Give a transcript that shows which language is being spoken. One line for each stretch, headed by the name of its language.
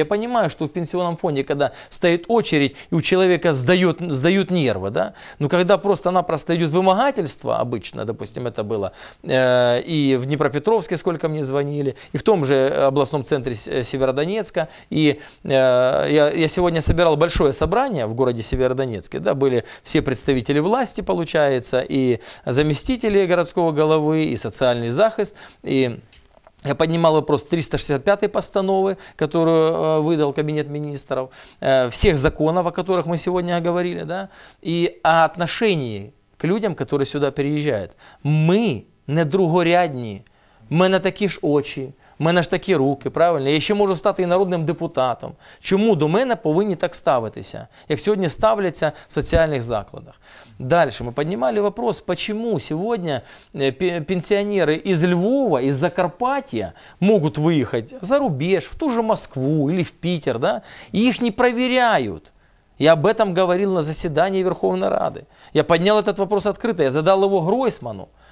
Russian: Я понимаю, что в пенсионном фонде, когда стоит очередь и у человека сдают нервы, да, но когда просто-напросто идет вымогательство, обычно, допустим, это было и в Днепропетровске, сколько мне звонили, и в том же областном центре Северодонецка, и я сегодня собирал большое собрание в городе Северодонецке, да, были все представители власти, получается, и заместители городского головы, и социальный захист, и я поднимал вопрос 365-й постановы, которую выдал Кабинет министров, всех законов, о которых мы сегодня говорили, да, и о отношении к людям, которые сюда переезжают.
Ukrainian: Мы не другорядні, мы на такі ж очі, мы на ж такі руки, правильно? Я ще можу стати і народним депутатом. Чому до мене повинні так ставитися, як сьогодні ставляться в соціальних закладах?
Russian: Дальше мы поднимали вопрос, почему сегодня пенсионеры из Львова, из Закарпатья могут выехать за рубеж, в ту же Москву или в Питер, да, и их не проверяют. Я об этом говорил на заседании Верховной Рады. Я поднял этот вопрос открыто, я задал его Гройсману.